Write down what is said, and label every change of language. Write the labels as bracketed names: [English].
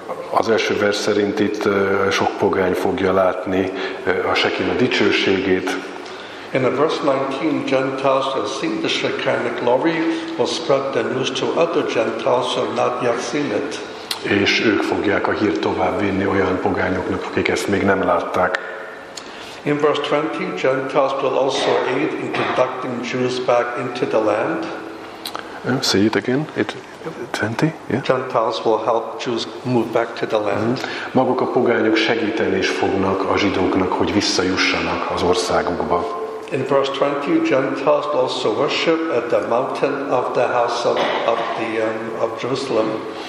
[Hungarian] Az első vers szerint itt sok pogány fogja látni a Shekinah dicsőségét. [English] In verse 19, Gentiles will see the Shekinah glory, will spread the news to other Gentiles who have not yet seen it. [Hungarian] és ők fogják a hírt tovább vinni olyan pogányoknak, akik ezt még nem látták. [English] In verse 20, Gentiles will also aid in conducting Jews back into the land. Say it again. It 20. Yeah. Gentiles will help Jews move back to the land. [Hungarian] Maguk a pogányok segíteni is fognak a zsidóknak, hogy visszajussanak az országukba. [English] In verse 20, Gentiles will also worship at the mountain of the house of Jerusalem.